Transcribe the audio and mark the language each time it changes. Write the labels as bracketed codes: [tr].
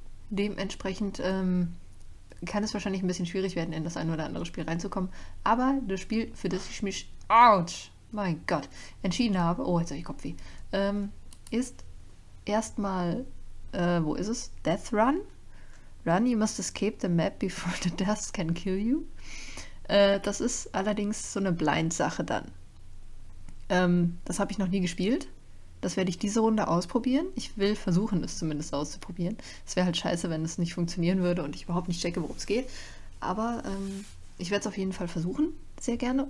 [de] Dementsprechend kann es wahrscheinlich ein bisschen schwierig werden, in das ein oder andere Spiel reinzukommen. Aber das Spiel, für das ich mich, ouch, mein Gott, entschieden habe, oh, jetzt habe ich Kopfweh, ist erstmal, wo ist es? [en] Death Run? Run, you must escape the map before the dust can kill you. [de] Das ist allerdings so eine Blind-Sache dann. Das habe ich noch nie gespielt. Das werde ich diese Runde ausprobieren. Ich will versuchen, es zumindest auszuprobieren. Es wäre halt scheiße, wenn es nicht funktionieren würde und ich überhaupt nicht checke, worum es geht. Aber ich werde es auf jeden Fall versuchen. Sehr gerne.